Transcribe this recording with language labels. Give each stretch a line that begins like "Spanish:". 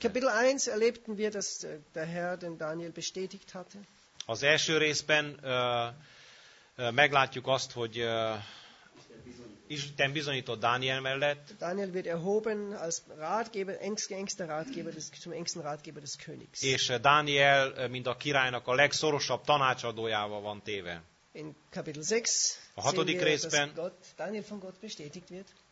German: Kapitel 1 erlebten wir, dass der Herr den Daniel bestätigt hatte.
Hungarian: Az első részben meglátjuk azt, hogy Isten bizonyított Dániel mellett.
German: Daniel wird erhoben als Ratgeber, engster Ratgeber des zum engsten Ratgeber des Königs.
Hungarian: És Dániel mint a királynak a legszorosabb tanácsadójával van téve.
German: In Kapitel 6
Hungarian: a hatodik
German: sehen wir,
Hungarian: részben
German: dass Gott, Daniel von Gott bestätigt wird.